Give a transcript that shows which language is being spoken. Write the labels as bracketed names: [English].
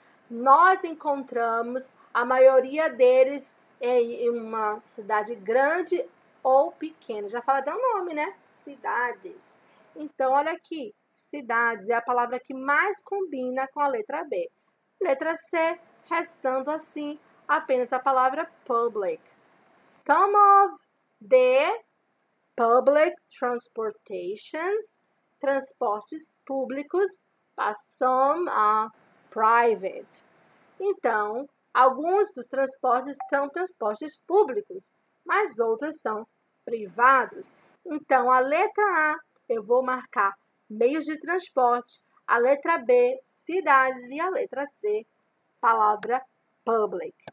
[Portuguese] Nós encontramos a maioria deles em uma cidade grande ou pequena. Já fala até o nome, né? Cidades. Então, olha aqui. Cidades é a palavra que mais combina com a letra B. Letra C, restando assim apenas a palavra public. [English] Some of the public transportations, [Portuguese] transportes públicos, [English] but some are private. [Portuguese] Então, alguns dos transportes são transportes públicos, mas outros são privados. Então, a letra A eu vou marcar meios de transporte, a letra B cidades e a letra C palavra public.